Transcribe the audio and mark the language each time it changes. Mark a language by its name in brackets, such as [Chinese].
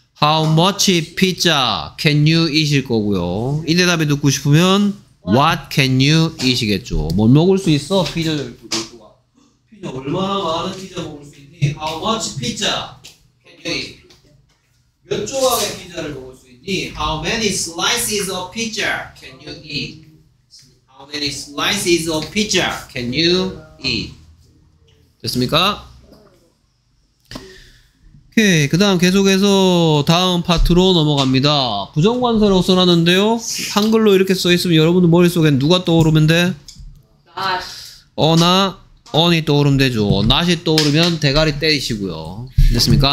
[English] How much pizza can you eat일 거고요. [Korean] 이 대답이 듣고 싶으면 [English] What can you eat [Korean] 이겠죠. 뭘 먹을 수 있어? 피자 얼마나 많은 피자 먹을 수 있니? [English] How much pizza can you eat? [Korean] 몇 조각의 피자를 먹을 수 있니? [English] How many slices of pizza can you eat? How many slices of pizza can you eat? [Korean] 됐습니까? 오케이. 그 다음 계속해서 다음 파트로 넘어갑니다. 부정관사로 써놨는데요. 한글로 이렇게 써있으면 여러분들 머릿속엔 누가 떠오르면 돼? [English] Not. [Korean] 어나 언이 떠오르면 되죠. Not이 떠오르면 대가리 때리시고요. 됐습니까?